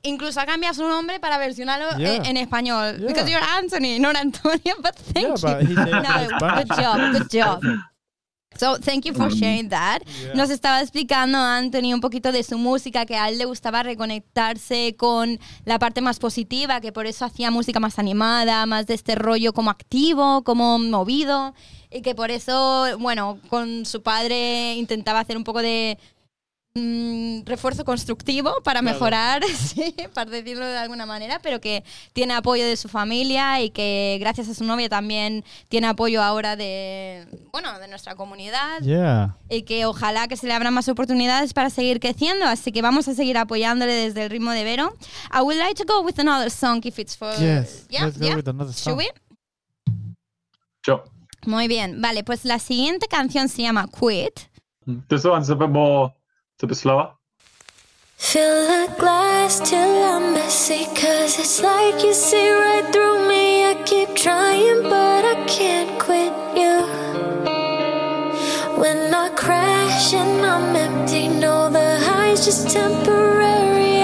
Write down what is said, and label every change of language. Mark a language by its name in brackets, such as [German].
[Spanish] Incluso cambia su nombre para versionarlo en español. [English] Yeah. Because you're Anthony, not Antonio, but thank you. But good job. So thank you for sharing that. Yeah. [Spanish] Nos estaba explicando Anthony un poquito de su música, que a él le gustaba reconectarse con la parte más positiva, que por eso hacía música más animada, más de este rollo como activo, como movido, y que por eso, bueno, con su padre intentaba hacer un poco de refuerzo constructivo para mejorar, sí, para decirlo de alguna manera, pero que tiene apoyo de su familia y que gracias a su novia también tiene apoyo ahora de, bueno, de nuestra comunidad. [English] Yeah. [Spanish] Y que ojalá que se le abran más oportunidades para seguir creciendo, así que vamos a seguir apoyándole desde el ritmo de Vero. [English] I would like to go with another song if it's for... Yes, let's go with another song. Should we? Sure. [Spanish] Muy bien, vale, pues la siguiente canción se llama Quit. [English] This one's a bit more... A bit slower. Fill the glass till I'm messy, 'cause it's like you see right through me. I keep trying, but I can't quit you. When I crash and I'm empty, know the high's just temporary.